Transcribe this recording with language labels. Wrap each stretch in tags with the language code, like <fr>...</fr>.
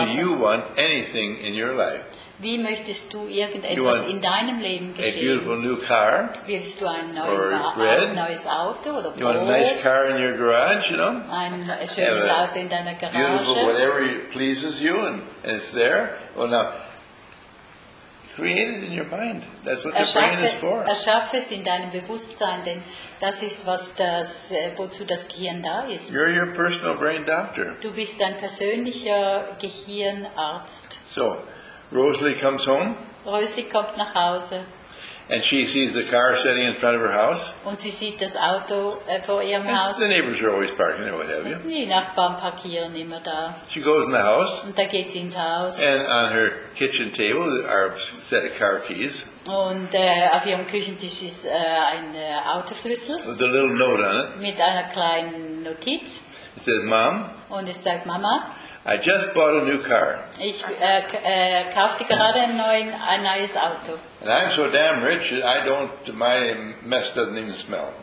<en>How do you want anything in your life?</en> <de>Wie möchtest du irgendetwas in deinem Leben geschehen?</de> <en>A beautiful new car,</en> <de>willst du ein neues Auto oder Brot?</de> <en>You want a nice car in your garage, you know?</en> <de>Ein schönes Auto in deiner Garage.</de> <en>Beautiful, whatever pleases you and it's there. Well, now, create it in your mind. That's what the brain is for.</en> <de>Erschaffe es in deinem Bewusstsein, denn das ist, wozu das Gehirn da ist.</de> <en>You're your personal brain doctor.</en> <de>Du bist dein persönlicher Gehirnarzt.</de> <en>So, Rosalie comes home.</en> <de>Rosalie kommt nach Hause.</de> <en>And she sees the car sitting in front of her house.</en> <de>Und sie sieht das Auto vor ihrem Haus.</de> <en>The neighbors are always parking there, what have you?</en> <de>Die Nachbarn parkieren immer da.</de> <en>She goes in the house.</en> <de>Und da geht sie ins Haus.</de> <en>And on her kitchen table are a set of car keys.</en> <de>Und auf ihrem Küchentisch ist ein Autoschlüssel.</de> <en>With a little note on it.</en> <de>Mit einer kleinen Notiz.</de> <en>It says, "Mom."</en> <de>Und es sagt, Mama.</de> <en>I just bought a new car.</en> <de>Ich kaufte gerade ein neues Auto.</de> <en>And I'm so damn rich, my mess doesn't even smell.</en>